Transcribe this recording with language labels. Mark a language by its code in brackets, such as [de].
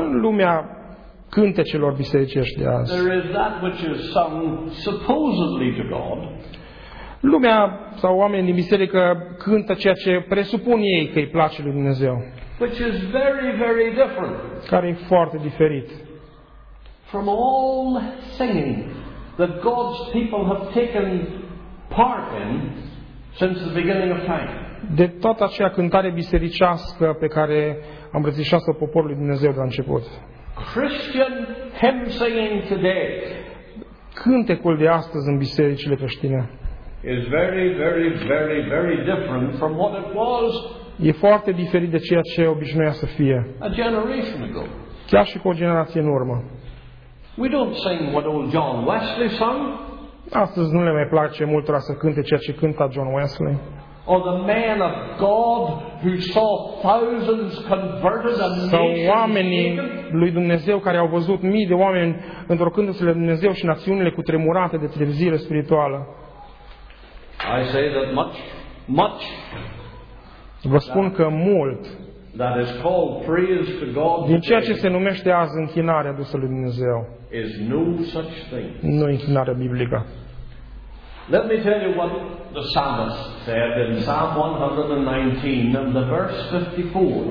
[ro] în lumea cântecelor bisericești de azi, [en] there is that which is sung supposedly to God. [ro] Lumea sau oamenii din biserică cântă ceea ce presupun ei că îi place lui Dumnezeu, [en] which is very, very different, [ro] care e foarte diferit [en] from all singing that God's people have taken part in since the beginning of time. [ro] De toată aceea cântare bisericească pe care am îmbrățișat-o poporul lui Dumnezeu de la început. [en] Christian hymn singing today. [ro] Cântecul de astăzi în bisericile creștine [en] is very, very, very, very different from what it was. [ro] E foarte diferit de ceea ce obișnuia să fie. [en] A generation ago. [ro] Chiar și cu o generație în urmă. [en] We don't sing what old John Wesley sung. [ro] Astăzi nu le mai place mult ora să cânte ceea ce cânta John Wesley. [en] Or the man of God who saw thousands converted and nations taken. [ro] Sau oamenii lui Dumnezeu care au văzut mii de oameni întorcându-se la Dumnezeu și națiunile cutremurate de trezire spirituală. [en] I say that much, much. [ro] Vă spun că mult. [en] That is called praise to God. [ro] Din ceea ce se numește azi închinarea adusă lui Dumnezeu. [en] Is no such thing. [ro] Nu închinare biblică. [en] Let me tell you what the psalmist said in Psalm 119 and the verse 54.